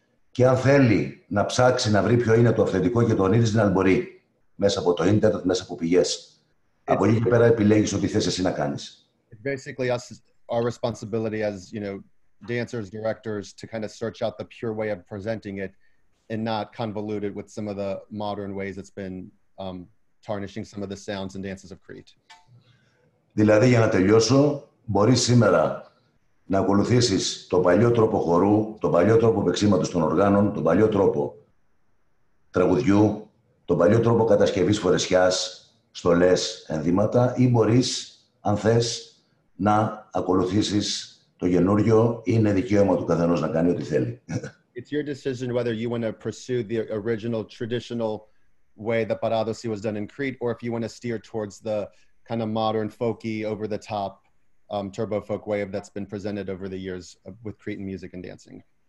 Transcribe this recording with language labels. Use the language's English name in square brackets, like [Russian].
[Greek] Και αν θέλει να ψάξει να βρει ποιο είναι το αυθεντικό και το original, μπορεί μέσα από το ίντερνετ, μέσα από πηγές. Από εκεί και πέρα επιλέγεις ό,τι θες εσύ να κάνεις. [English] Basically, our responsibility as, you know, dancers, directors, to kind of search out the pure way of presenting it and not convolute it with some of the modern ways that's been tarnishing some of the sounds and dances of Crete. [Greek] Δηλαδή, για να τελειώσω, μπορείς σήμερα να ακολουθήσεις τον παλιό τρόπο χορού, τον παλιό τρόπο παίξηματος των οργάνων, τον παλιό τρόπο τραγουδιού, τον παλιό τρόπο κατασκευής φορεσιάς, στολές, ενδύματα, ή μπορείς, αν θες, να ακολουθήσεις το καινούριο, είναι δικαίωμα του καθενός να κάνει ό,τι θέλει. [English] It's your decision whether you want to pursue the original traditional way that παράδοση was done in Crete, or if you want to steer towards the kind of modern folky over the top turbo folk way that's been presented over the years with Cretan music and dancing.